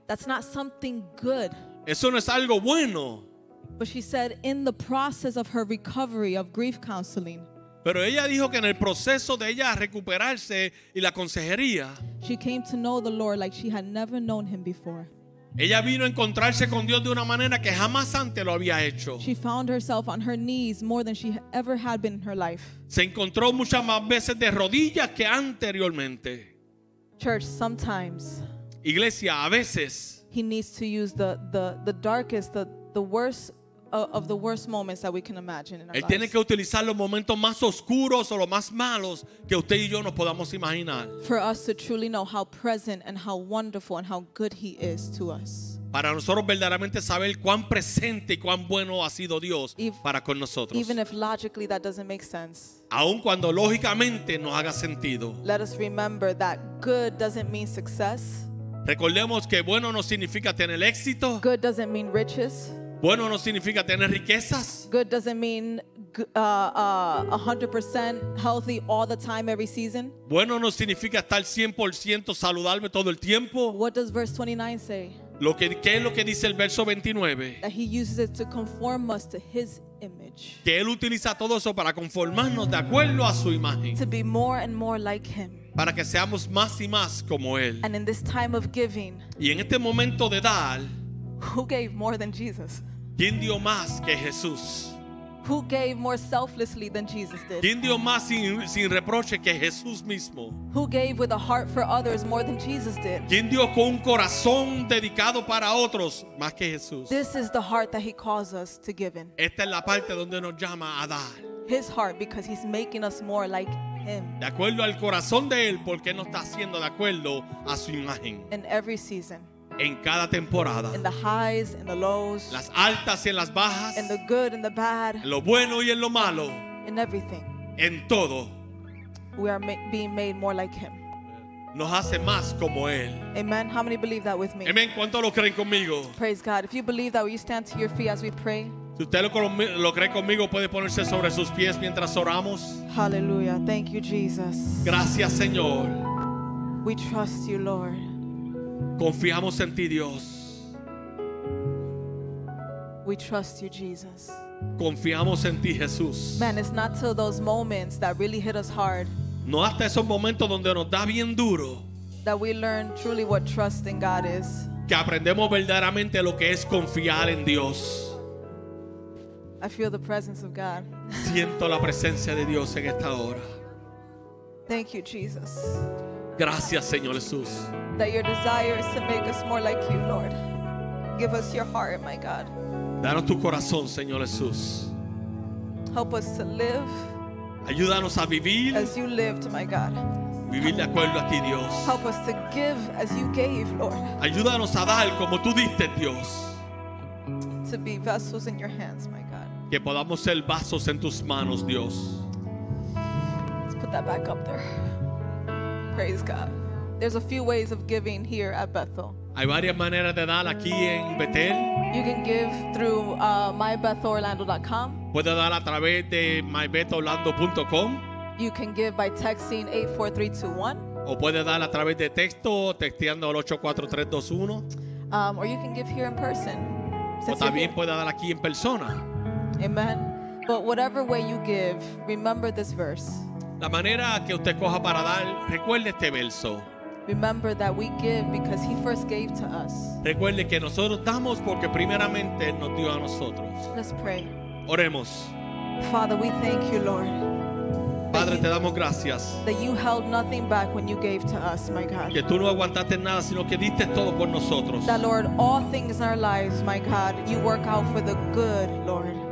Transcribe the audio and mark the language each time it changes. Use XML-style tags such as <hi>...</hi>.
<en>That's not something good.</en> <es>Eso no es algo bueno.</es> <en>But she said in the process of her recovery of grief counseling.</en> <es>Pero ella dijo que en el proceso de ella recuperarse y la consejería.</es> <en>She came to know the Lord like she had never known him before.</en> <es>Ella vino a encontrarse con Dios de una manera que jamás antes lo había hecho.</es> <en>She found herself on her knees more than she ever had been in her life.</en> <es>Se encontró muchas más veces de rodillas que anteriormente.</es> <en>Church, sometimes.</en> <es>Iglesia, a veces.</es> <en>He needs to use the darkest, the worst of the worst moments that we can imagine in our</en> <es>Él</es> <en>lives.</en> <es>Tiene que utilizar los momentos más oscuros o los más malos que usted y yo nos podamos imaginar.</es> <en>For us to truly know how present and how wonderful and how good he is to us.</en> <es>Para nosotros verdaderamente saber cuán presente y cuán bueno ha sido Dios para con nosotros.</es> <en>Even if logically that doesn't make sense.</en> <es>Aun cuando lógicamente no haga sentido.</es> <en>Let us remember that good doesn't mean success.</en> <es>Recordemos que bueno no significa tener éxito.</es> <en>Good doesn't mean riches.</en> <es>Bueno no significa tener riquezas.</es> <en>Good doesn't mean 100% healthy all the time every season.</en> <es>Bueno no significa estar 100% saludable todo el tiempo.</es> <en>What does verse 29 say?</en> <es>¿Qué es lo que dice el verso 29?</es> <en>That he uses it to conform us to his image.</en> <es>Que él utiliza todo eso para conformarnos de acuerdo a su imagen.</es> <en>To be more and more like him.</en> <es>Para que seamos más y más como él.</es> <en>And in this time of giving.</en> <es>Y en este momento de dar.</es> <en>Who gave more than Jesus?</en> <es>¿Quién dio más que Jesús?</es> <en>Who gave more selflessly than Jesus did?</en> <es>¿Quién dio más sin reproche que Jesús mismo?</es> <en>Who gave with a heart for others more than Jesus did?</en> <es>¿Quién dio con un corazón dedicado para otros más que Jesús?</es> <en>This is the heart that he calls us to give in.</en> <es>Esta es la parte donde nos llama a dar.</es> <en>His heart, because he's making us more like him.</en> <es>De acuerdo al corazón de él, porque nos está haciendo de acuerdo a su imagen.</es> <en>In every season.</en> <es>En cada temporada.</es> <en>In the highs and the lows.</en> <es>Las altas y en las bajas.</es> <en>In the good and the bad.</en> <es>En lo bueno y en lo malo.</es> <en>In everything.</en> <es>En todo.</es> <en>We are being made more like him.</en> <es>Nos hace más como él.</es> <en>Amen. How many believe that with me?</en> <es>Amen. ¿Cuántos lo creen conmigo?</es> <en>Praise God. If you believe that, will you stand to your feet as we pray?</en> <es>Si usted lo cree conmigo, puede ponerse sobre sus pies mientras oramos.</es> <en>Hallelujah. Thank you, Jesus.</en> <es>Gracias, Señor.</es> <en>We trust you, Lord.</en> <es>Confiamos en ti, Dios.</es> <en>We trust you, Jesus.</en> <es>Confiamos en ti, Jesús.</es> <en>Man, it's not till those moments that really hit us hard.</en> <es>No hasta esos momentos donde nos da bien duro.</es> <en>That we learn truly what trust in God is.</en> <es>Que aprendemos verdaderamente lo que es confiar en Dios.</es> <en>I feel the presence of God.</en> <es>Siento la presencia de Dios en esta hora.</es> <en>Thank you, Jesus.</en> <es>Gracias, Señor Jesús.</es> <en>That your desire is to make us more like you, Lord. Give us your heart, my God.</en> <es>Danos tu corazón, Señor Jesús.</es> <en>Help us to live.</en> <es>Ayúdanos a vivir.</es> <en>As you lived, my God.</en> <es>Vivir de acuerdo a ti, Dios.</es> <en>Help us to give as you gave, Lord.</en> <es>Ayúdanos a dar como tú diste, Dios.</es> <en>To be vessels in your hands, my God.</en> <es>Que podamos ser vasos en tus manos, Dios.</es> <en>Let's put that back up there. Praise God. There's a few ways of giving here at Bethel.</en> <es>Hay varias maneras de dar aquí en Bethel.</es> <en>You can give through mybethelorlando.com.</en> <es>Puede dar a través de mybethelorlando.com.</es> <en>You can give by texting 84321.</en> <es>O puede dar a través de texto texteando al 84321.</es> <en>Or you can give here in person.</en> <es>O también puede dar aquí en persona.</es> <en>Amen. But whatever way you give, remember this verse.</en> <es>La manera que usted coja para dar, recuerde este verso.</es> <en>Remember that we give because he first gave to us.</en> <es>Recuerde que nosotros damos porque primeramente nos dio a nosotros.</es> <en>Let's pray.</en> <es>Oremos.</es> <en>Father, we thank you, Lord.</en> <es>Padre, te damos gracias.</es> <en>That you held nothing back when you gave to us, my God.</en> <es>Que tú no aguantaste nada, sino que diste todo por nosotros.</es> <en>That, Lord, all things in our lives, my God, you work out for the good, Lord.</en>